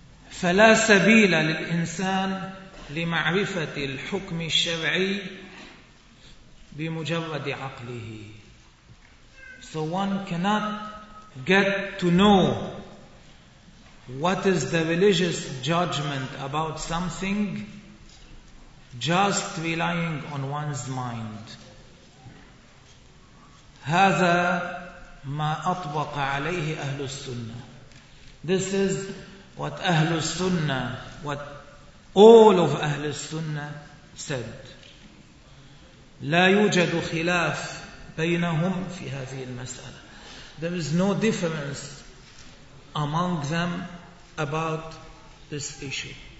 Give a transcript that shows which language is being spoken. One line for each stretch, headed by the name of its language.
Arabic: فلا سبيل للإنسان لمعرفة الحكم الشرعي بمجرد عقله.
English: So one cannot get to know what is the religious judgment about something just relying on one's mind.
Arabic: هذا ما أطبق عليه أهل السنة.
English: This is what أهل السنة, what all of أهل السنة said.
Arabic: لا يوجد خلاف بينهم في هذه المسألة.
English: There is no difference among them about this issue.